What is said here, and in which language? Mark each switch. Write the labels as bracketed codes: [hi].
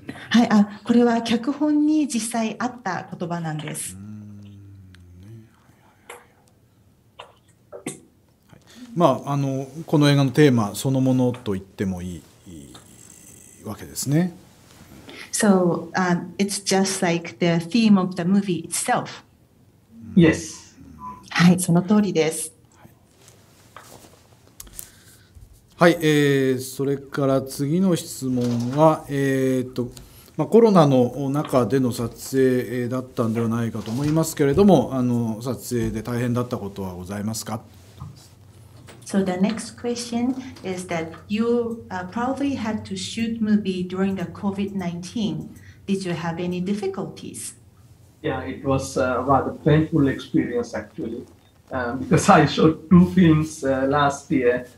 [ja] はい、これは脚本に実際あった言葉なんです。はい、まあこの映画のテーマそのものと言ってもいいわけですね。 [en] So, it's just like the theme of the movie itself. Yes. [ja] はい、その通りです。はい、それから次の質問は、コロナの中での撮影だったんではないかと思いますけれども、撮影で大変だったことはございますか。 [en] So the next question is that you probably had to shoot movie during the COVID-19. Did you have any difficulties? Yeah, it was a rather painful experience actually, because I shot two films last year.